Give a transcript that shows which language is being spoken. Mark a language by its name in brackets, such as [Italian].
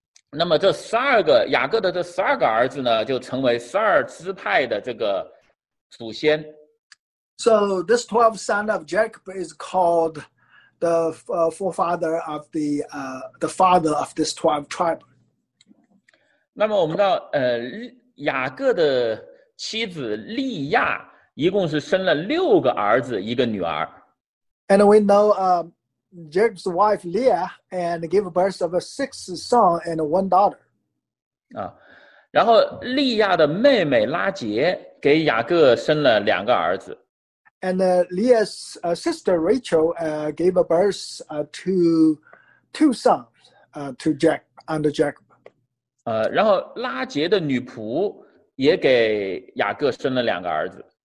[Chinese] 那么这十二个雅各的这十二个儿子呢，就成为十二支派的这个祖先。 [English] So this 12th son of Jacob is called the forefather of the father of this 12th tribe. [Chinese] 那么我们知道，雅各的妻子利亚一共是生了六个儿子，一个女儿。 [English] And we know Jacob's wife Leah and gave birth of a sixth son and one daughter. [Chinese] 啊，然后利亚的妹妹拉结给雅各生了两个儿子。 [English] And Leah's sister Rachel gave birth to two sons to Jack and Jacob. [Chinese] 然后拉结的女仆也给雅各生了两个儿子。